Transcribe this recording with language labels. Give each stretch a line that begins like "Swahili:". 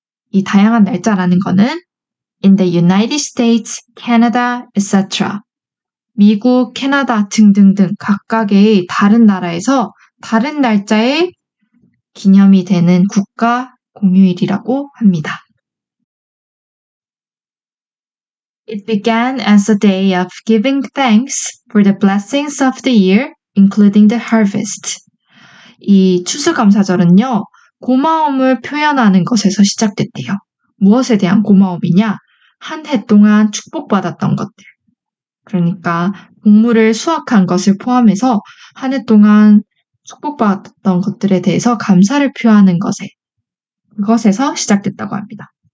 Korean: 이 다양한 날짜라는 거는
English: in the United States, Canada, etc.
Korean: 미국, 캐나다 등등등 각각의 다른 나라에서 다른 날짜에 기념이 되는 국가 공휴일이라고 합니다.
English: It began as a day of giving thanks for the blessings of the year, including the harvest.
Korean: 이 추수감사절은요, 고마움을 표현하는 것에서 시작됐대요. 무엇에 대한 고마움이냐? 한해 동안 축복받았던 것들. 그러니까, 곡물을 수확한 것을 포함해서 한해 동안 축복받았던 것들에 대해서 감사를 표하는 것에, 그것에서 시작됐다고 합니다.